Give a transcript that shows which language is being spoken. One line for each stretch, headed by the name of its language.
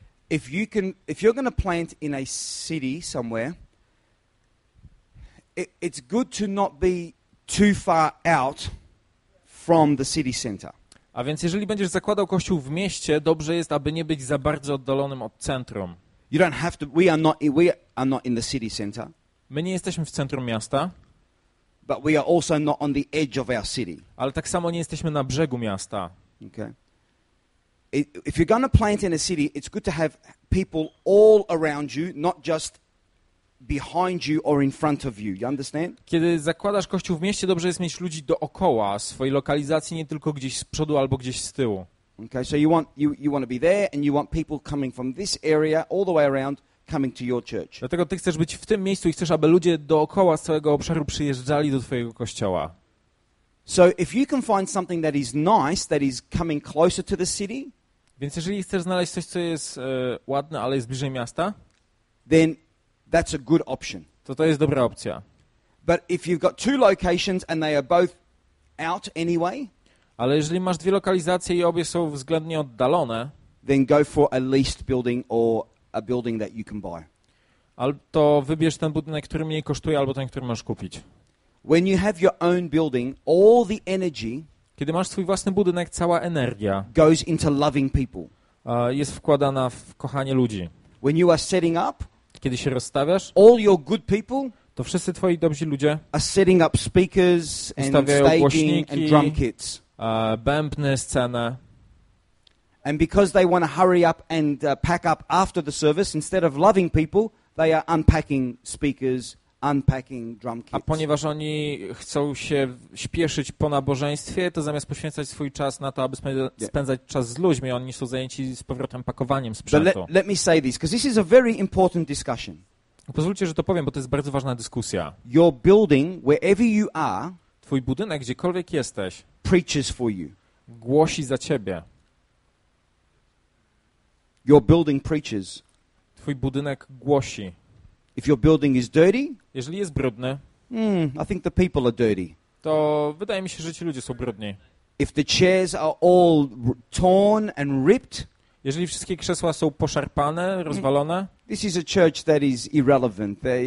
English: If you can, if you're going to plant in a city somewhere, it's good to not be too far out from the city center.
Polish: A więc jeżeli będziesz zakładał kościół w mieście, dobrze jest, aby nie być za bardzo oddalonym od centrum.
English: You don't have to, we are not in the city center.
Polish: My nie jesteśmy w centrum miasta.
English: But we are also not on the edge of our city.
Polish: Ale tak samo nie jesteśmy na brzegu miasta.
English: Okay. If you're going to plant in a city, it's good to have people all around you, not just behind you or in front of you. You understand?
Polish: Kiedy zakładasz kościół w mieście, dobrze jest mieć ludzi dookoła swojej lokalizacji, nie tylko gdzieś z przodu albo gdzieś z tyłu.
English: Okay, so you want to be there and you want people coming from this area all the way around coming to your church.
Polish: Dlatego ty chcesz być w tym miejscu i chcesz, aby ludzie dookoła z całego obszaru przyjeżdżali do twojego kościoła.
English: So if you can find something that is nice, that is coming closer to the city.
Polish: Więc jeżeli chcesz znaleźć coś, co jest ładne, ale jest bliżej miasta,
English: then that's a good option.
Polish: To jest dobra opcja.
English: But if you've got two locations and they are both out anyway,
Polish: ale jeżeli masz dwie lokalizacje i obie są względnie oddalone,
English: then go for a leased building or a building that you can buy.
Polish: Albo wybierz ten budynek, który mniej kosztuje, albo ten, który możesz kupić.
English: When you have your own building, all the energy,
Polish: kiedy masz swój własny budynek, cała energia
English: goes into loving people.
Polish: Jest wkładana w kochanie ludzi.
English: When you are setting up,
Polish: kiedy się rozstawiasz,
English: all your good people,
Polish: to wszyscy twoi dobrzy ludzie
English: are setting up speakers and staging and drum kits,
Polish: bębny, scenę.
English: And because they want to hurry up and pack up after the service, instead of loving people, they are unpacking speakers, unpacking drum kits.
Polish: A ponieważ oni chcą się śpieszyć po nabożeństwie, to zamiast poświęcać swój czas na to, aby spędzać czas z ludźmi, oni są zajęci z powrotem pakowaniem sprzętu.
English: Let me say this, because this is a very important discussion.
Polish: Pozwólcie, że to powiem, bo to jest bardzo ważna dyskusja.
English: Your building, wherever you are,
Polish: twój budynek, gdziekolwiek jesteś,
English: preaches for you.
Polish: Głosi za ciebie.
English: Your building preaches.
Polish: Twój budynek głosi.
English: If your building is dirty,
Polish: jeżeli jest brudny,
English: I think the people are dirty.
Polish: To wydaje mi się, że ci ludzie są brudni.
English: If the chairs are all torn and ripped,
Polish: jeżeli wszystkie krzesła są poszarpane, rozwalone,
English: this is a church that is irrelevant.